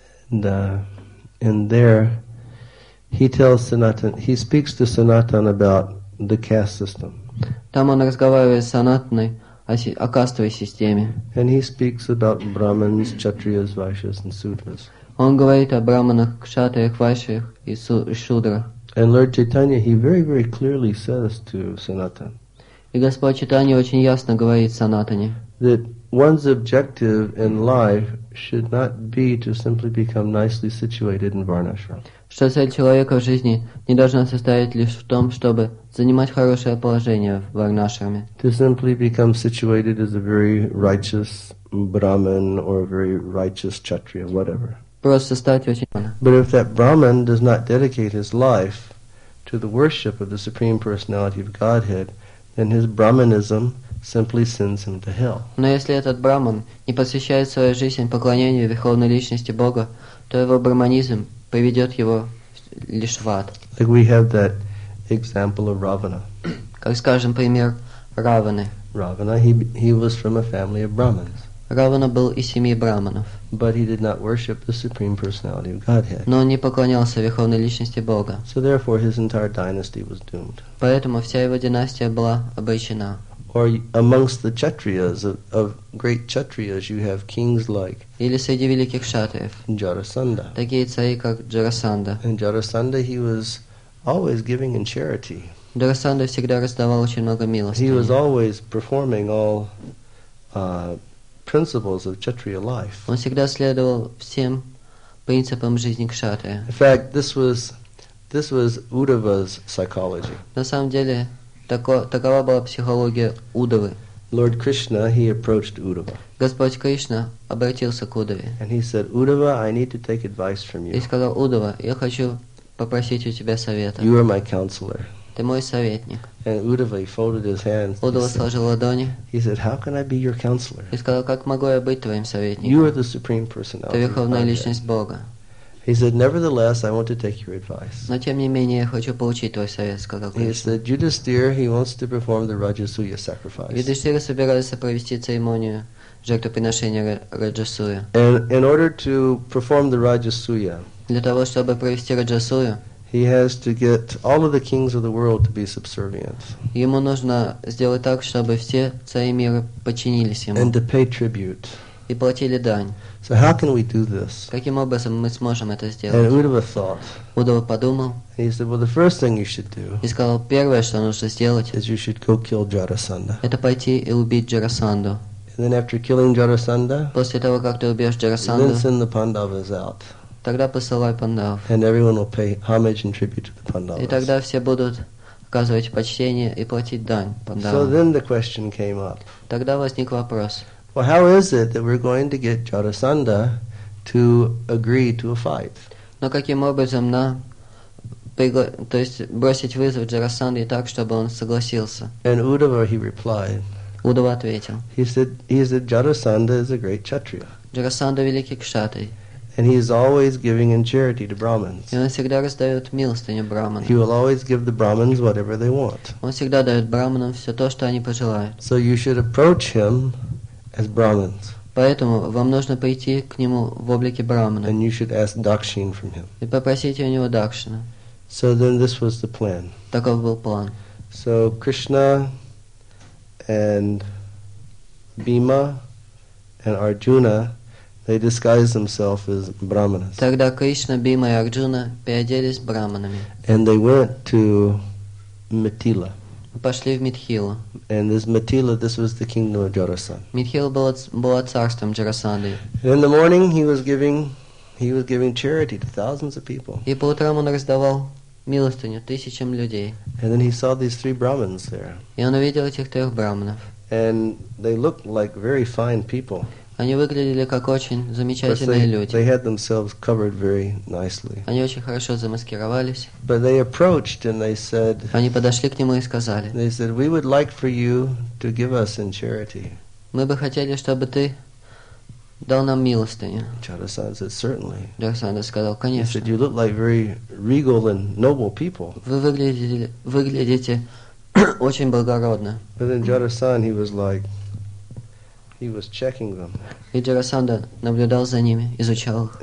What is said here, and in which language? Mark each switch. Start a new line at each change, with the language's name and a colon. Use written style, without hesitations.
English: And there he tells Sanatan, he speaks to Sanatan about the caste system.
Russian: Там он разговаривает с Санатаной о кастовой системе.
English: And he speaks about Brahmins, Kshatriyas, Vaishyas and Sudras.
Russian: Он говорит о Брахманах, Кшатриях, Вайшьях и Шудрах.
English: And Lord Chaitanya, he very, very clearly says to Sanatan.
Russian: И Господь Чайтанья очень ясно говорит Санатане.
English: That one's objective in life should not be to simply become nicely situated in Varnashram.
Russian: Что цель человека в жизни не должна состоять лишь в том, чтобы занимать хорошее положение в Варнашраме.
English: To simply become situated as a very righteous Brahmin or a very righteous Kshatriya, whatever.
Russian: Просто стать очень.
English: But if that Brahmin does not dedicate his life to the worship of the Supreme Personality of Godhead, then his Brahmanism simply sends him to hell.
Russian: Но если этот Брахман не посвящает свою жизнь поклонению Верховной Личности Бога, то его брахманизм приведет его лишь в ад.
English: Like we have that example of Ravana.
Russian: Как, скажем, пример Раваны.
English: Ravana, he was from a family of Brahmins.
Russian: Равана был из семьи Брахманов.
English: But he did not worship the Supreme Personality of Godhead.
Russian: Но он не поклонялся Верховной Личности Бога.
English: So therefore his entire dynasty was doomed.
Russian: Поэтому вся его династия была обречена.
English: Or amongst the Kshatriyas, of great Kshatriyas, you have kings like
Russian: Или среди великих кшатриев,
English: Jarasandha.
Russian: Такие цари, как Jarasandha.
English: And Jarasandha, he was always giving in charity.
Russian: Jarasandha всегда раздавал очень много милостыни.
English: He was always performing all principles of Kshatriya life.
Russian: Он всегда следовал всем принципам жизни кшатрия.
English: In fact, this was Uddhava's psychology.
Russian: На самом деле, такова была психология Удавы.
English: Lord Krishna, he approached Uddhava.
Russian: Господь Кришна обратился к Удаве.
English: And he said, Uddhava, I need to take advice from you.
Russian: И сказал, Удава, я хочу попросить у тебя совета.
English: You are my counselor.
Russian: Ты мой советник.
English: And Uddhava, he folded his hands.
Russian: Удава сложил ладони.
English: He said, how can I be your counselor?
Russian: И сказал, как могу я быть твоим советником?
English: You are the Supreme Personality.
Russian: Ты Верховная Личность Бога.
English: He said, nevertheless, I want to take your advice.
Russian: Но тем не менее, я хочу получить твой совет, сказал Кришна.
English: He said, Yudhisthira, he wants to perform the Rajasuya sacrifice.
Russian: Юдхиштхира собирается провести церемонию жертвоприношения Раджасуя.
English: And in order to perform the Rajasuya,
Russian: для того, чтобы провести Раджасую,
English: he has to get all of the kings of the world to be subservient.
Russian: Ему нужно сделать так, чтобы все цари мира подчинились ему.
English: And to pay tribute.
Russian: И платили дань.
English: So how can we do this?
Russian: Каким образом мы сможем это сделать?
English: And Uddhava thought.
Russian: Удава подумал.
English: And he said, well, the first thing you should do.
Russian: И сказал, первое, что нужно сделать.
English: Is you should go kill Jarasandha.
Russian: Это пойти и убить Jarasandhu.
English: And then after killing Jarasandha.
Russian: После того, как ты убьешь Jarasandhu.
English: Then send the Pandavas out.
Russian: Тогда посылай Пандав.
English: And everyone will pay homage and tribute to the Pandavas.
Russian: И тогда все будут оказывать почтение и платить дань Пандавам.
English: So then the question came up.
Russian: Тогда возник вопрос.
English: Well, how is it that we're going to get Jarasandha to agree to a fight?
Russian: Но каким образом нам, то есть бросить вызов Jarasandhe так, чтобы он согласился?
English: And Uddhava, he replied.
Russian: Uddhava ответил.
English: He said Jarasandha is a great Kshatriya.
Russian: Jarasandha великий кшатрий.
English: And he is always giving in charity to Brahmins.
Russian: И он всегда раздает милостыню Брахманам.
English: He will always give the Brahmins whatever they want.
Russian: Он всегда дает Брахманам все то, что они пожелают.
English: So you should approach him as Brahmins.
Russian: Поэтому вам нужно прийти к нему в облике Брахмана.
English: And you should ask Dakshin from him.
Russian: И попросите у него Дакшина.
English: So then this was the plan.
Russian: Таков был план.
English: So Krishna and Bhima and Arjuna, they disguised themselves as Brahmanas.
Russian: Тогда Кришна, Бима и Арджуна переоделись Брахманами.
English: And they went to Mithila.
Russian: Пошли в Митхилу.
English: And this Mithila, this was the kingdom of Jarasandha.
Russian: Митхила была царством Jarasandhe.
English: In the morning, he was giving He was giving charity to thousands of people.
Russian: И по утрам он раздавал милостыню тысячам людей.
English: And then he saw these three Brahmins there.
Russian: И он увидел этих трех браманов.
English: And they looked like very fine people.
Russian: Они выглядели как очень замечательные люди.
English: They had themselves covered very nicely.
Russian: Они очень хорошо замаскировались.
English: But they approached and they said.
Russian: Они подошли к нему и сказали.
English: They said, "We would like for you to give us in charity."
Russian: Мы бы хотели, чтобы ты дал нам милостыню.
English: Чарасан said, "Certainly."
Russian: Чарасана сказал, конечно.
English: He said, "You look like very regal and noble people."
Russian: Вы выглядите очень благородно.
English: But then Чарасан, he was like. He was checking them.
Russian: И Джарасанда наблюдал за ними, изучал их.